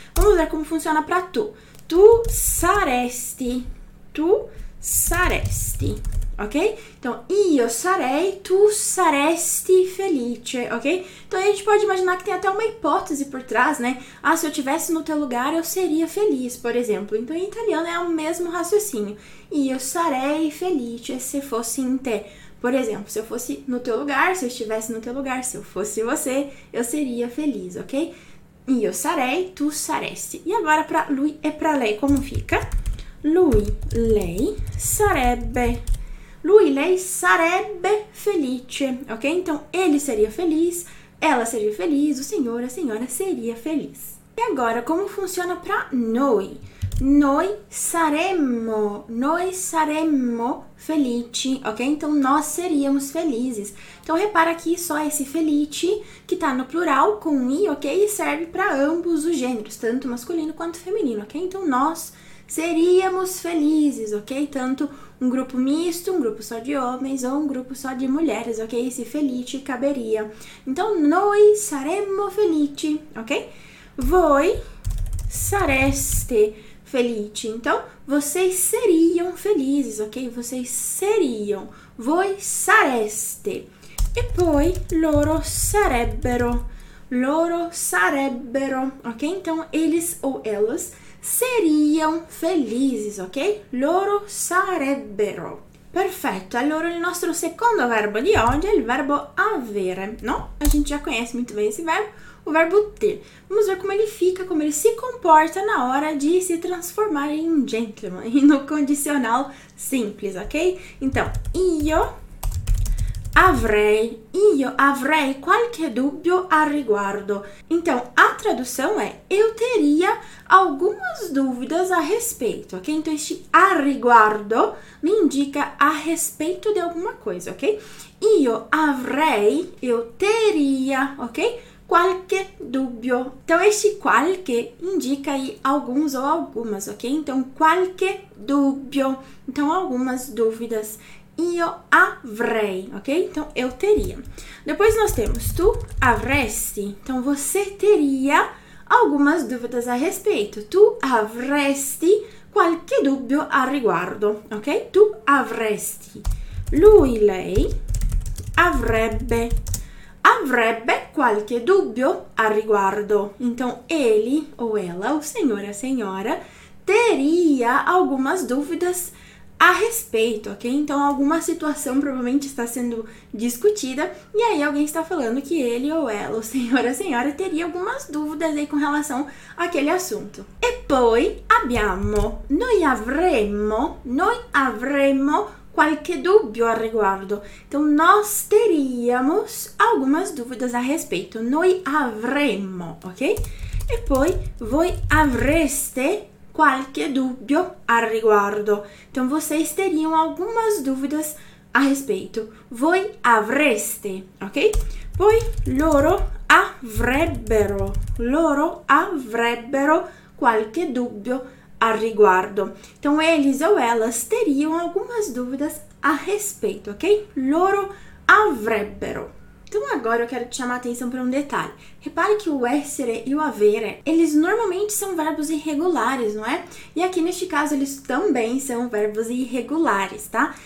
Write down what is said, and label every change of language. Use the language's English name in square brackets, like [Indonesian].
[Portuguese] Vamos ver como funciona pra tu. [Italian] Tu saresti, [Portuguese] ok? [Italian] Então, io sarei, tu saresti felice, ok? [Portuguese] Então, a gente pode imaginar que tem até uma hipótese por trás, né? Ah, se eu estivesse no teu lugar, eu seria feliz, por exemplo. Então, em italiano é o mesmo raciocinho. [Italian] Io sarei felice se fosse in te. [Portuguese] Por exemplo, se eu fosse no teu lugar, se eu estivesse no teu lugar, se eu fosse você, eu seria feliz, ok? [Italian] Io sarei, tu saresti. [Portuguese] E agora para lui e para lei, como fica? [Italian] Lui, lei, sarebbe. Lui, lei, sarebbe felice, ok? [Portuguese] Então, ele seria feliz, ela seria feliz, o senhor, a senhora seria feliz. E agora, como funciona para noi? [Italian] Noi saremmo felici, [Portuguese] ok? Então, nós seríamos felizes. Então, repara aqui só esse felice que tá no plural com i, ok? E serve para ambos os gêneros, tanto masculino quanto feminino, ok? Então, nós seríamos felizes, ok? Tanto um grupo misto, um grupo só de homens ou um grupo só de mulheres, ok? Esse felice caberia. Então, [Italian] noi saremmo felici, [Portuguese] ok? [Italian] Voi sareste felice. [Portuguese] Então, vocês seriam felizes, ok? Vocês seriam. [Italian] Voi sareste. E poi, loro sarebbero. Loro sarebbero, ok? [Portuguese] Então, eles ou elas seriam felizes, ok? [Italian] Loro sarebbero. Perfetto. Allora, il nostro secondo verbo di oggi è il verbo avere, no? [Portuguese] A gente já conhece muito bem esse verbo. O verbo ter. Vamos ver como ele fica, como ele se comporta na hora de se transformar em um gentleman e no condicional simples, ok? [Italian] Então, io avrei qualche dubbio a riguardo. [Portuguese] Então, a tradução é eu teria algumas dúvidas a respeito, ok? Então, este a riguardo me indica a respeito de alguma coisa, ok? [Italian] Io avrei, [Portuguese] eu teria, ok? [Italian] Qualche dubbio. [Portuguese] Então, este qualche indica aí alguns ou algumas, ok? Então, [Italian] qualche dubbio. [Portuguese] Então, algumas dúvidas. [Italian] Io avrei, [Portuguese] ok? Então, eu teria. Depois nós temos [Italian] tu avresti. [Portuguese] Então, você teria algumas dúvidas a respeito. [Italian] Tu avresti qualche dubbio a riguardo, ok? Tu avresti. Lui, lei, avrebbe. Avrebbe qualche dubbio a riguardo. [Portuguese] Então, ele ou ela, o senhor e a senhora, teria algumas dúvidas a respeito, ok? Então, alguma situação provavelmente está sendo discutida e aí alguém está falando que ele ou ela, o senhor ou a senhora, teria algumas dúvidas aí com relação àquele assunto. [Italian] E poi abbiamo, noi avremo qualche dubbio al riguardo. [Portuguese] Então, nós teríamos algumas dúvidas a respeito. [Italian] Noi avremo, ok? E poi voi avreste qualche dubbio al riguardo. [Portuguese] Então, vocês teriam algumas dúvidas a respeito. [Italian] Voi avreste, ok? Poi loro avrebbero qualche dubbio a riguardo. [Portuguese] Então, eles ou elas teriam algumas dúvidas a respeito, ok? [Italian] Loro avrebbero. [Portuguese] Então, agora eu quero te chamar a atenção para um detalhe. Repare que o essere e o avere, eles normalmente são verbos irregulares, não é? E aqui, neste caso, eles também são verbos irregulares, tá?